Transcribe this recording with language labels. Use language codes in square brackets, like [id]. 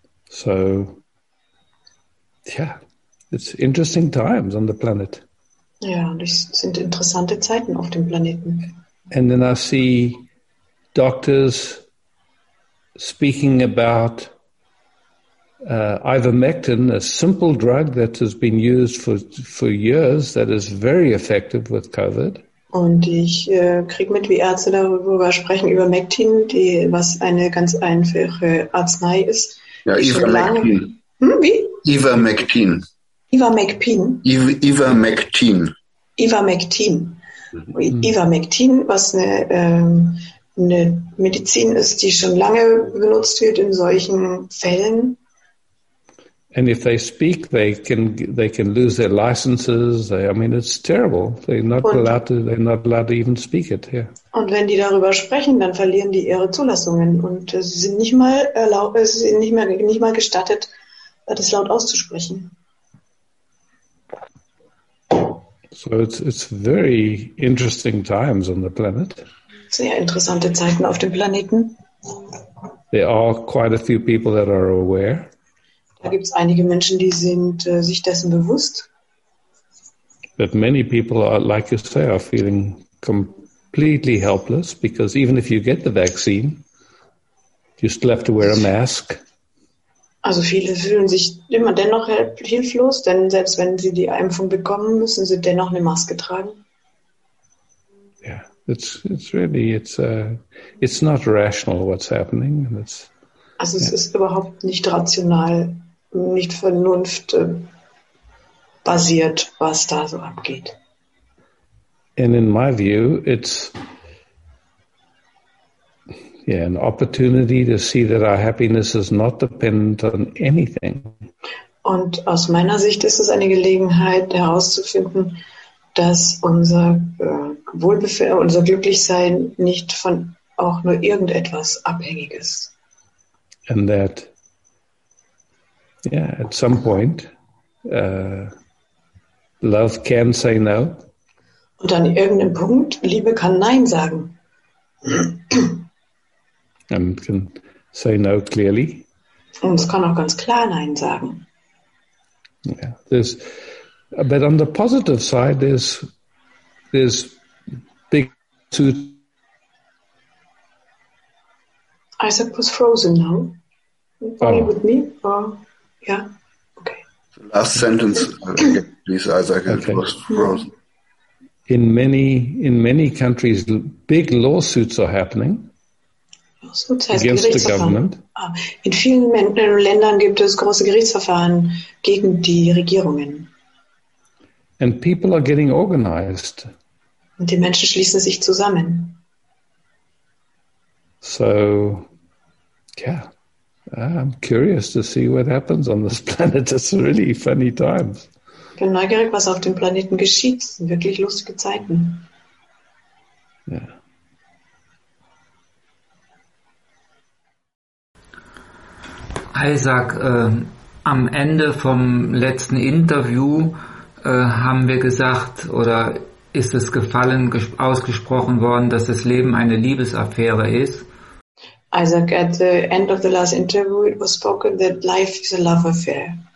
[en] So, yeah, it's interesting times on the planet. [de] Ja, das sind interessante Zeiten auf dem Planeten. [en] And then I see doctors speaking about ivermectin, a simple drug that has been used for years, that is very effective with COVID. [de] Und ich kriege mit, wie Ärzte darüber sprechen, über Ivermectin, die was eine ganz einfache Arznei ist. Ja, Ivermectin. Wie? Ivermectin. Ivermectin. Ivermectin. Ivermectin. Ivermectin, was eine Medizin ist, die schon lange benutzt wird in solchen Fällen. [en] And if they speak, they can lose their licenses. I mean, it's terrible. They're not allowed to even speak it. Yeah. [de] Und wenn die darüber sprechen, dann verlieren die ihre Zulassungen und sie sind nicht mal gestattet, das laut auszusprechen. [en] So it's very interesting times on the planet. [de] Sehr interessante Zeiten auf dem Planeten. [en] There are quite a few people that are aware. [de] Da gibt es einige Menschen, die sind sich dessen bewusst. [en] But many people are, like you say, are feeling completely helpless, because even if you get the vaccine, you still have to wear a mask. [de] Also viele fühlen sich immer dennoch hilflos, denn selbst wenn sie die Impfung bekommen, müssen sie dennoch eine Maske tragen. [en] Yeah, it's not rational what's happening. [de] Ist überhaupt nicht rational, nicht vernunftbasiert, was da so abgeht. [en] And in my view, it's an opportunity to see that our happiness is not dependent on anything. [de] Und aus meiner Sicht ist es eine Gelegenheit herauszufinden, dass unser Wohlbefinden, unser Glücklichsein nicht von auch nur irgendetwas abhängig ist. [en] And that at some point love can say no. [de] Und an irgendeinem Punkt, Liebe kann Nein sagen. [en] And can say no clearly. [de] Und es kann auch ganz klar Nein sagen. [en] Yeah, there's, but on the positive side, there's big two. Isaac was frozen now. Are you with me? Yeah. Okay. Last sentence, please, Isaac. Okay. It was frozen. In many countries, big lawsuits are happening. Lawsuits [de] heißt [en] against the government. [de] In vielen Ländern gibt es große Gerichtsverfahren gegen die Regierungen. [en] And people are getting organized. [de] Und die Menschen schließen sich zusammen. [en] So, yeah. I'm curious to see what happens on this planet. It's really funny times. [de] Ich bin neugierig, was auf dem Planeten geschieht. Es sind wirklich lustige Zeiten. [en] Yeah. Isaac, [de] Am Ende vom letzten Interview haben wir gesagt, oder ist es gefallen, ausgesprochen worden, dass das Leben eine Liebesaffäre ist? [en] Isaac, at the end of the last interview, it was spoken that life is a love affair.